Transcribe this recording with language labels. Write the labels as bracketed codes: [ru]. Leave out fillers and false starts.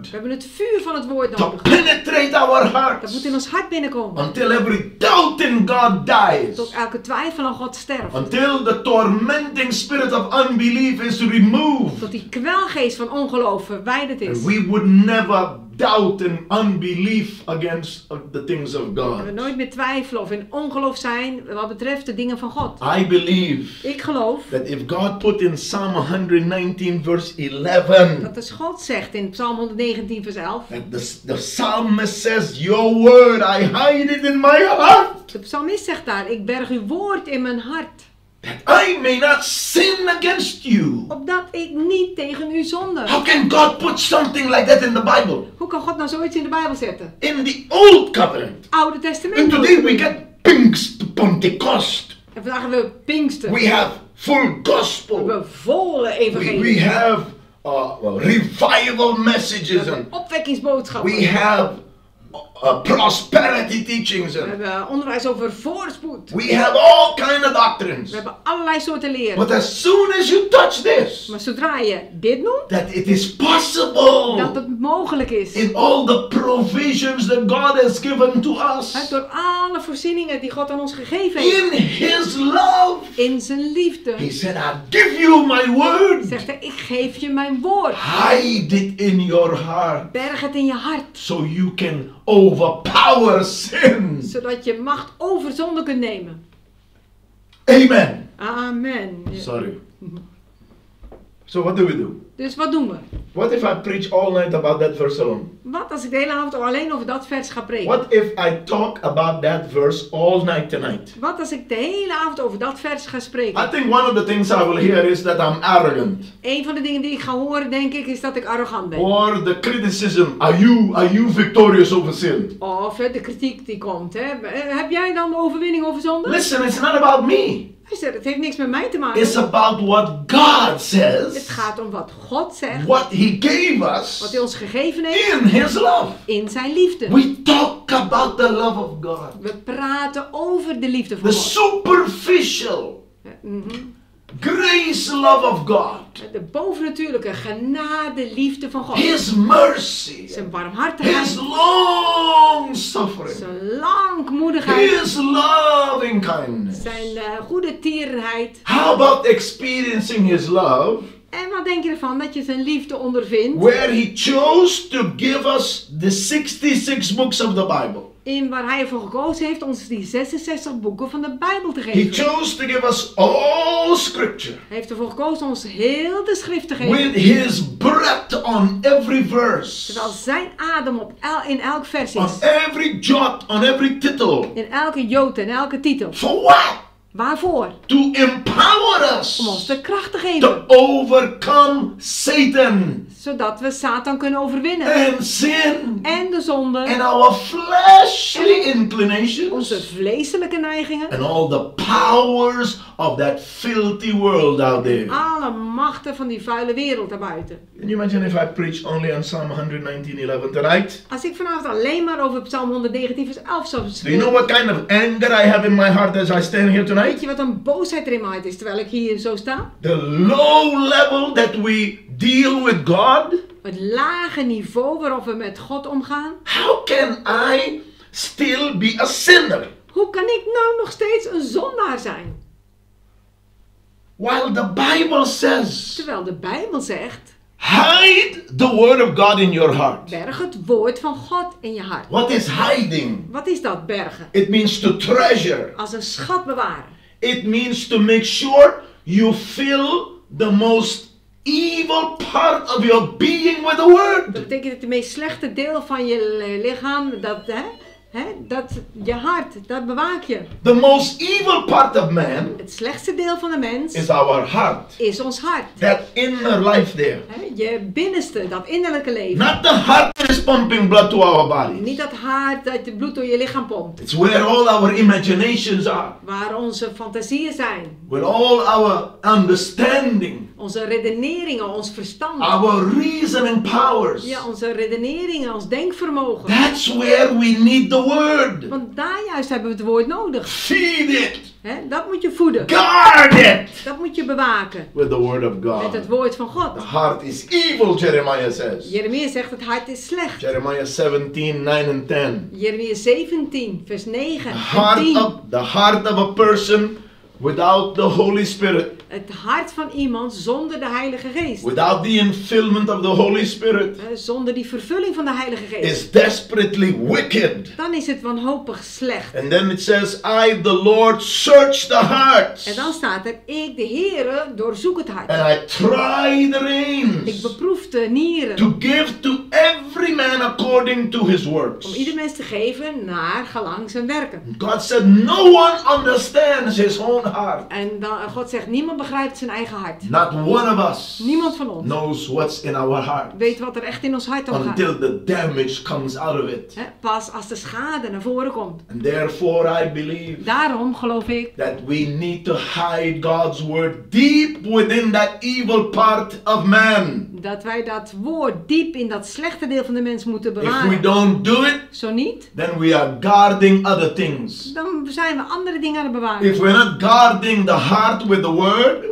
[nl] We hebben het vuur van het woord nodig. [en] To penetrate our hearts. [nl] Dat moet in ons hart binnenkomen. [en] Until every doubt in God dies. [nl] Tot elke twijfel aan God sterft. [en] Until the tormenting spirit of unbelief is removed. [nl] Tot die kwelgeest van ongeloof verwijderd is. [en] And we would never doubt and unbelief against the things of God. [nl] We nooit meer twijfelen of in ongeloof zijn wat betreft de dingen van God. [en] I believe. [nl] Ik geloof. [en] That if God put in Psalm 119 verse 11. [nl] Dat als God zegt in Psalm 119 vers 11. [en] That the psalmist says, your word I hide it in my heart. [nl] De psalmist zegt daar, ik berg uw woord in mijn hart. [en] That I may not sin against you. [nl] Opdat ik niet tegen u zonde. [en] How can God put something like that in the Bible? [nl] Hoe kan God nou zoiets in de Bijbel zetten? [en] In the Old Covenant. [nl] Oude Testament. [en] And today we get Pinkst Pentecost. [nl] En vandaag hebben we Pinksteren. [en] We have full gospel. [nl] We hebben volle evangelie. [en] We have revival messages. [nl] We hebben opwekkingsboodschappen. [en] We have prosperity teachings. [nl] We hebben onderwijs over voorspoed. [en] We have all kind of doctrines. [nl] We hebben allerlei soorten leren. [en] But as soon as you touch this. [nl] Maar zodra je dit noemt. [en] That it is possible. [nl] Dat het mogelijk is. [en] In all the provisions that God has given to us. [nl] En door alle voorzieningen die God aan ons gegeven heeft. [en] In His love. [nl] In zijn liefde. [en] He said, I give you my word. [nl] Zegt hij, ik geef je mijn woord. [en] Hide it in your heart. [nl] Berg het in je hart. [en] So you can overpower sin. [nl] Zodat je macht over zonde kunt nemen. [en] Amen. [nl] Amen. [en] Sorry. So what do we do? [nl] Dus wat doen we? [en] What if I preach all night about that verse alone? [nl] Wat als ik de hele avond alleen over dat vers ga preken? [en] What if I talk about that verse all night tonight? [nl] Wat als ik de hele avond over dat vers ga spreken? [en] I think one of the things I will hear is that I'm arrogant. [nl] Een van de dingen die ik ga horen, denk ik, is dat ik arrogant ben. [en] Or the criticism, are you victorious over sin? [nl] Of de kritiek die komt, hè? Heb jij dan de overwinning over zonde? [en] Listen, it's not about me. [nl] Hij zegt, het heeft niks met mij te maken. [en] It's about what God says. [nl] Het gaat om wat God zegt. [en] What He gave us. [nl] Wat Hij ons gegeven heeft. [en] In His love. [nl] In zijn liefde. [en] We talk about the love of God. [nl] We praten over de liefde van [en] the [nl] God. [en] The superficial grace love of God. [nl] De bovennatuurlijke genade liefde van God. [en] His mercy. [nl] Zijn barmhartigheid. [en] His long suffering. [nl] Zijn langmoedigheid. [en] His loving kindness. [nl] Zijn goede tierenheid. [en] How about experiencing His love? [nl] En wat denk je ervan dat je zijn liefde ondervindt? [en] Where He chose to give us the 66 books of the Bible. [nl] In waar Hij ervoor gekozen heeft ons die 66 boeken van de Bijbel te geven. [en] He chose to give us all scripture. [nl] Hij heeft ervoor gekozen ons heel de schrift te geven. [en] With His breath on every verse. [nl] Terwijl zijn adem op in elk vers is. [en] On every jot, on every title. [nl] In elke jot en elke titel. [en] For what? [nl] Waarvoor? [en] To empower us. [nl] Om ons de kracht te geven. [en] To overcome Satan. [nl] Zodat we Satan kunnen overwinnen. [en] And sin. [nl] En de zonde. [en] And our fleshly inclinations. [nl] Onze vleeselijke neigingen. [en] And all the powers of that filthy world out there. [nl] Alle machten van die vuile wereld daarbuiten. [en] Can you imagine if I preach only on Psalm 119:11 tonight? [nl] Als ik vanavond alleen maar over Psalm 119 vers 11 zou spreken. [en] Do you know what kind of anger I have in my heart as I stand here tonight? [nl] Weet je wat een boosheid er in mijn hart is terwijl ik hier zo sta? [en] The low level that we deal with God. [nl] Het lage niveau waarop we met God omgaan. [en] How can I still be a sinner? [nl] Hoe kan ik nou nog steeds een zondaar zijn? [en] While the Bible says. [nl] Terwijl de Bijbel zegt. [en] Hide the word of God in your heart. [nl] Berg het woord van God in je hart. [en] What is hiding? [nl] Wat is dat bergen? [en] It means to treasure. [nl] Als een schat bewaren. [en] It means to make sure you fill the most evil part of your being with the word. [nl] Dat betekent dat het meest slechte deel van je lichaam, dat je hart, dat bewaak je. [en] The most evil part of man. [nl] Het slechtste deel van de mens. [en] Is our heart. [nl] Is ons hart. [en] That inner life there. [nl] Je binnenste, dat innerlijke leven. [en] Not the heart that is pumping blood to our bodies. [nl] Niet dat hart dat het bloed door je lichaam pompt. [en] It's where all our imaginations are. [nl] Waar onze fantasieën zijn. [en] Where all our understanding. [nl] Onze redeneringen, ons verstand. [en] Our reasoning powers. [nl] Ja, onze redeneringen, ons denkvermogen. [en] That's where we need the word. [nl] Want daar juist hebben we het woord nodig. [en] Feed it. [nl] Dat moet je voeden. [en] Guard it. [nl] Dat moet je bewaken. [en] With the word of God. [nl] Met het woord van God. [en] The heart is evil, Jeremiah says. [nl] Jeremia zegt het hart is slecht. [en] Jeremiah 17:9-10. [nl] Jeremia 17, vers 9 [en] the heart [nl] en 10. [en] The heart of a person without the Holy Spirit. [nl] Het hart van iemand zonder de Heilige Geest. [en] Without the infillment of the Holy Spirit. [nl] Zonder die vervulling van de Heilige Geest. [en] Is desperately wicked. [nl] Dan is het wanhopig slecht. [en] And then it says, I the Lord search the heart. [nl] En dan staat er, ik de Heere doorzoek het hart. [en] And I try the reins. [nl] Ik beproef de nieren. [en] To give to every man according to his works. [nl] Om ieder mens te geven naar gelang zijn werken. [en] God said, no one understands his own heart. [nl] En dan, God zegt, niemand begrijpt zijn eigen hart. [en] Not one of us. [nl] Niemand van ons. [en] Knows what's in our heart. [nl] Weet wat er echt in ons hart omgaat. [en] Until the damage comes out of it. [nl] Pas als de schade naar voren komt. [en] And therefore I believe. [nl] Daarom geloof ik. [en] That we need to hide God's word deep within that evil part of man. [nl] Dat wij dat woord diep in dat slechte deel van de mens moeten bewaren. [en] If we don't do it, [nl] zo niet, [en] then we are guarding other things. [nl] Dan zijn we andere dingen aan het bewaren. [en] If we're not guarding the heart with the word,